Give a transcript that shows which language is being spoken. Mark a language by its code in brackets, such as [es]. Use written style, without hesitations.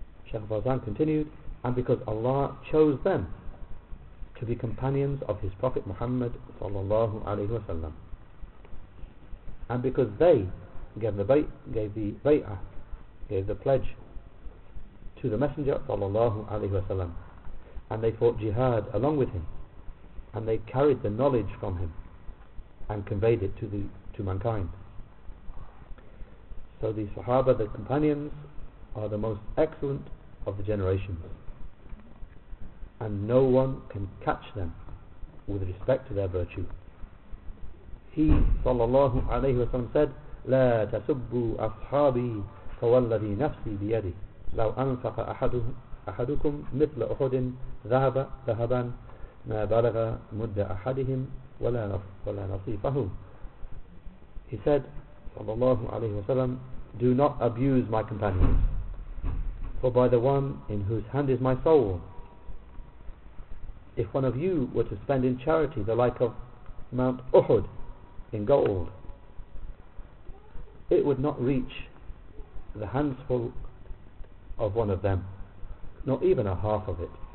[en] Shaykh Fawzan continued, and because Allah chose them to be companions of his Prophet Muhammad sallallahu alayhi wa sallam, and because they gave the pledge to the Messenger sallallahu alayhi wa sallam, and they fought jihad along with him, and they carried the knowledge from him and conveyed it to mankind. So the Sahaba, the companions, are the most excellent of the generations, and no one can catch them with respect to their virtue. He sallallahu alayhi wa sallam said, [ar] لا تسبوا أصحابي فوالذي نفسي بيدي لو أنفق أحدكم مثل أحد ذهبا ما بلغ مد أحدهم ولا نصيفه. [en] He said sallallahu alayhi wa sallam, do not abuse my companions, for by the one in whose hand is my soul, if one of you were to spend in charity the like of Mount Uhud in gold, it would not reach the handful of one of them, not even a half of it.